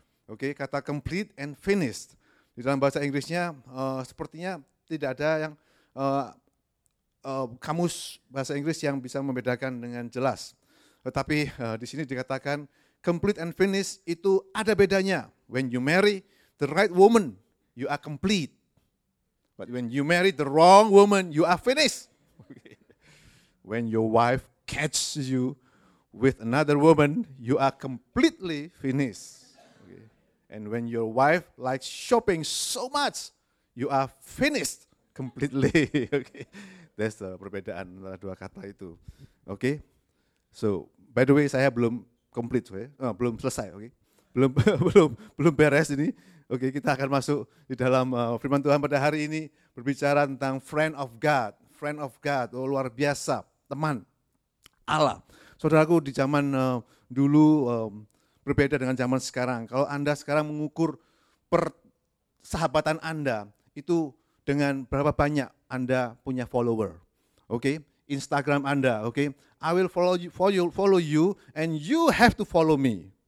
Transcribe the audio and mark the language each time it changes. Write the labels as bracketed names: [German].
[Indonesian] Oke, kata complete and finished di dalam bahasa Inggrisnya sepertinya tidak ada yang kamus bahasa Inggris yang bisa membedakan dengan jelas. Tetapi di sini dikatakan complete and finished itu ada bedanya. [English] When you marry the right woman, you are complete. But when you marry the wrong woman, you are finished. When your wife catches you with another woman, you are completely finished. Okay. And when your wife likes shopping so much, you are finished completely. Okay. That's the [Indonesian] perbedaan antara dua kata itu. Okay. [English] So, by the way, [Indonesian] saya belum complete, belum selesai, oke? belum beres ini, oke? Kita akan masuk di dalam firman Tuhan pada hari ini, berbicara tentang [English] friend of God, [Indonesian] oh, luar biasa, teman Allah. Saudaraku, di zaman dulu berbeda dengan zaman sekarang. Kalau Anda sekarang mengukur persahabatan Anda itu dengan berapa banyak Anda punya follower. Oke, okay? Instagram Anda, oke. Okay? [English] I will follow you and you have to follow me.